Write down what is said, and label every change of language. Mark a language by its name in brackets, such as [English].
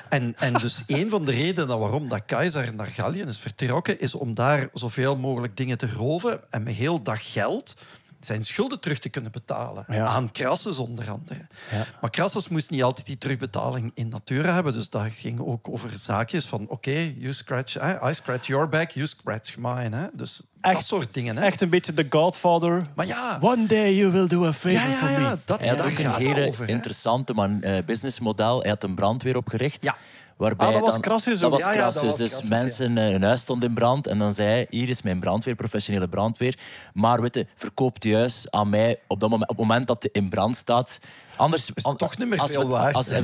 [Dutch] En dus een van de redenen waarom dat Caesar naar Gallië is vertrokken, is om daar zoveel mogelijk dingen te roven en met heel dat geld zijn schulden terug te kunnen betalen. Ja. Aan Crassus onder andere. Ja. Maar Crassus moest niet altijd die terugbetaling in natura hebben. Dus dat ging ook over zaakjes van, oké, [English] you scratch, I scratch your back, you scratch mine. [Dutch] Hè? Dus echt, dat soort dingen. Hè? Echt een beetje de Godfather. Maar ja. [English] One day you will do a favor for me. [Dutch] Dat, hij had ook een hele over, interessante businessmodel. Hij had een brandweer opgericht. Ja. Waarbij dat was Crassus. Dat was Crassus. Dus mensen, hun huis stond in brand. En dan zei hij, hier is mijn brandweer, professionele brandweer. Maar weet je, verkoopt juist aan mij op het moment dat het in brand staat. Anders is het toch niet meer veel waard.